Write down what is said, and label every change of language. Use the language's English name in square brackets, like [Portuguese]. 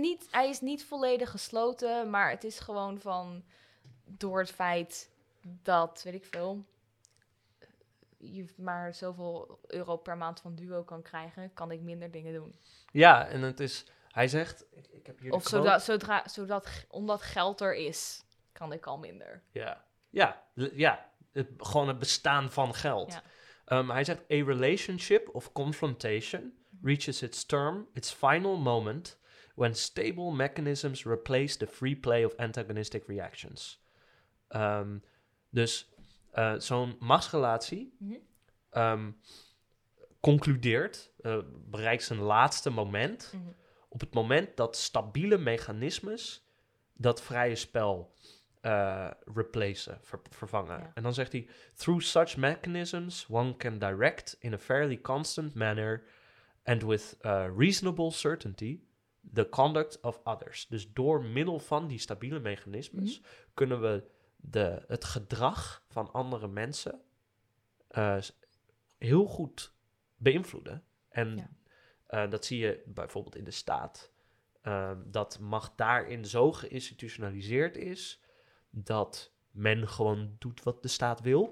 [Dutch] Hij is niet volledig gesloten, maar het is gewoon van, door het feit dat, weet ik veel, je maar zoveel euro per maand van Duo kan krijgen, kan ik minder dingen doen. Ja, en het is... Hij zegt... Ik heb hier of zodat omdat geld er is, kan ik al minder. Ja. Gewoon het bestaan van geld. Ja. Hij zegt... [English] A relationship of confrontation reaches its term, its final moment, when stable mechanisms replace the free play of antagonistic reactions. [Dutch] Dus zo'n machtsrelatie concludeert, bereikt zijn laatste moment, op het moment dat stabiele mechanismes dat vrije spel replacen, vervangen. Ja. En dan zegt hij, [English] through such mechanisms one can direct in a fairly constant manner and with reasonable certainty the conduct of others. [Dutch] Dus door middel van die stabiele mechanismes kunnen we het gedrag van andere mensen heel goed beïnvloeden. En dat zie je bijvoorbeeld in de staat. Dat macht daarin zo geïnstitutionaliseerd is dat men gewoon doet wat de staat wil,